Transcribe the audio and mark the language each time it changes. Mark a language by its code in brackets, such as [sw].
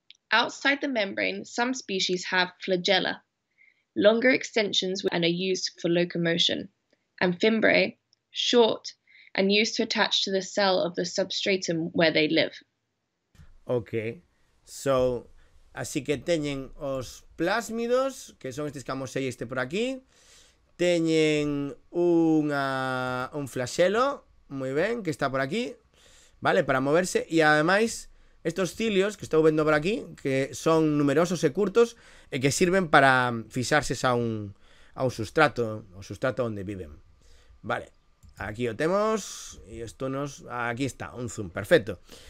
[en] Outside the membrane, some species have flagella, longer extensions and are used for locomotion, and fimbriae, short and used to attach to the cell of the substratum where they live. Okay, so... [gl] Así que teñen os plásmidos, que son estes que amosei este por aquí. Teñen un flaxelo [es] Muy bien, que está por aquí. Vale, para moverse. Y además, estos cilios que estoy viendo por aquí, que son numerosos y curtos, y que sirven para fijarse a un sustrato, o sustrato donde viven. Vale, aquí lo tenemos. Y esto nos... Aquí está, un zoom, perfecto.